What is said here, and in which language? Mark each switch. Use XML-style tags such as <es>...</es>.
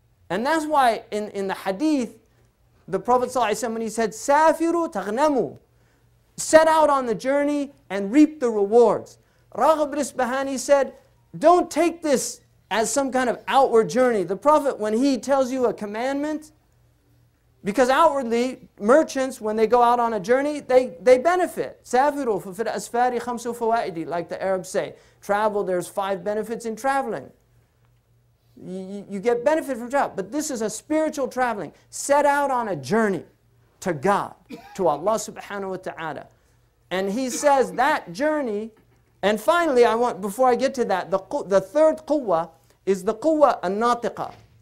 <en>And that's why in the hadith, the Prophet ﷺ, when he said,</en> <ar>سَافِرُوا تَغْنَمُوا,</ar> <en>set out on the journey and reap the rewards. Raghib al-Isbahani said, don't take this as some kind of outward journey. The Prophet, when he tells you a commandment, because outwardly, merchants, when they go out on a journey, they benefit.</en> <ar>سَافِرُوا فَفِرْ أَسْفَارِ خَمْسُ فَوَائِدِ,</ar> <en>like the Arabs say. Travel, there's five benefits in traveling. You get benefit from travel. But this is a spiritual traveling. Set out on a journey to God, to Allah subhanahu wa ta'ala. And he says that journey, and finally, I want, before I get to that, the third quwwah is the quwwah an-natiqah.</en>